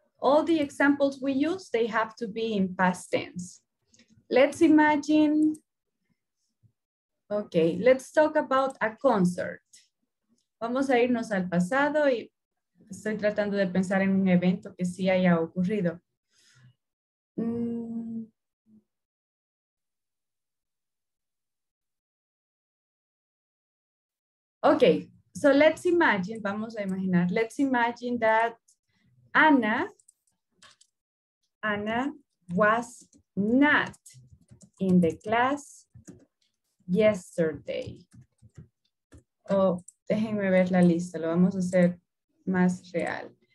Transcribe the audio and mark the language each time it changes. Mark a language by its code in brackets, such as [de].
[en] All the examples we use, they have to be in past tense. Let's imagine, okay, let's talk about a concert. [es] Vamos a irnos al pasado y estoy tratando de pensar en un evento que sí haya ocurrido. [en] Okay, so let's imagine, [es] vamos a imaginar, [en] let's imagine that Anna was not in the class yesterday. [es] Oh, déjenme ver la lista, lo vamos a hacer más real.